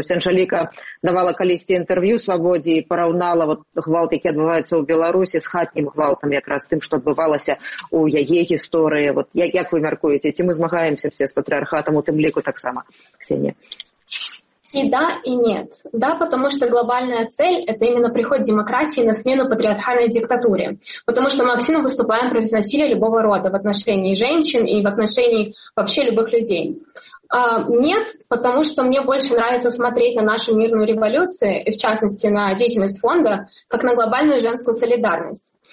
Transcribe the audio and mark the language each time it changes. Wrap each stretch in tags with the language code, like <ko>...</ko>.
<be>Ось Анжаліка давала калісьці інтэрв'ю Свабодзе і параўнала вот гвалт, які адбываецца ў Беларусі, з хатнім гвалтам, якраз тым, што адбывалася ў яе гісторыі. Вот як вы мяркуеце, ці мы змагаемся все з патриархатом у тым ліку таксама?</be> <ru>Ксения. И да, и нет. Да, потому что глобальная цель – это именно приход демократии на смену патриархальной диктатуре. Потому что мы активно выступаем против насилия любого рода в отношении женщин и в отношении вообще любых людей. Нет, потому что мне больше нравится смотреть на нашу мирную революцию, и в частности на деятельность фонда, как на глобальную женскую солидарность.</ru>